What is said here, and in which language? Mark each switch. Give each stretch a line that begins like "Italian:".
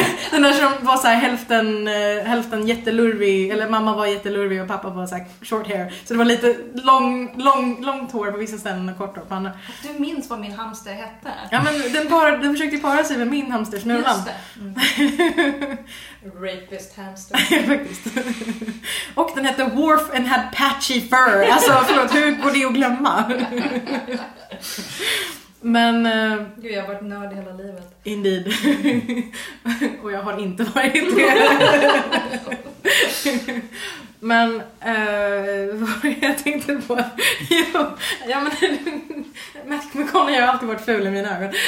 Swedish: Den där som var så här hälften jättelurvig, eller mamma var jättelurvig och pappa var så här
English: short hair.
Swedish: Så det var lite långt hår på vissa ställen och kort hår på andra. Du minns vad min hamster hette? Ja, men den försökte para sig med min hamster snurran. Just det.
English: Rapist hamster.
Swedish: Faktiskt. Och den hette
English: Worf and had patchy fur.
Swedish: Alltså förlåt, hur går det att glömma? Men gud, jag har varit nörd hela livet.
English: Indeed.
Swedish: Och jag har inte varit det. Men vad jag tänkte på. Ja, men Matthew McConaughey har alltid varit ful i mina ögon.